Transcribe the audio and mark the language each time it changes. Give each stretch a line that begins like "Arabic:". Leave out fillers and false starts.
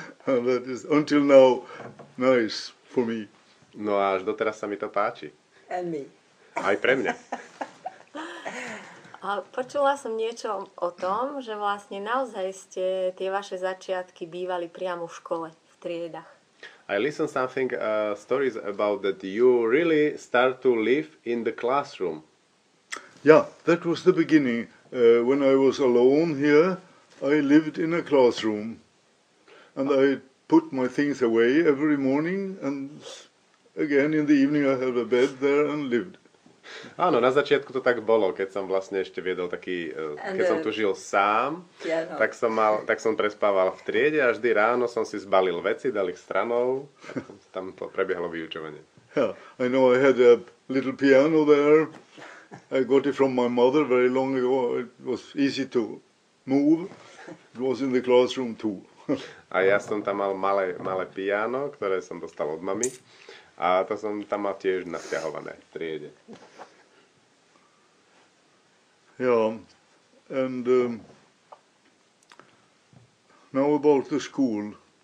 English: And that is until now nice for me.
Slovak: No a až doteraz sa mi to páči.
English: And me.
Slovak: Aj pre mňa. A počula som niečo o tom, že vlastne naozaj ste tie vaše začiatky bývali priamo v škole, v triedach.
English: I listen something stories about that you really start to live in the classroom. Yeah, that was the beginning. When I was alone here, I lived in a classroom. And I put my things away every morning and again in the evening I had a bed there and lived.
Slovak: Áno, na začiatku to tak bolo, keď som vlastne ešte viedol taký, keď som tu žil sám, tak som prespával v triede a vždy ráno som si zbalil veci, dal ich stranou, tam to prebiehlo vyučovanie.
English: Yeah, I know I had a little piano there, I got it from my mother very long ago, it was easy to move, it was in the classroom too.
Slovak: A ja som tam mal malé piano, ktoré som dostal od mami. A to som tam mal tiež nasťahované v triede.
English: Yeah. And now about the school.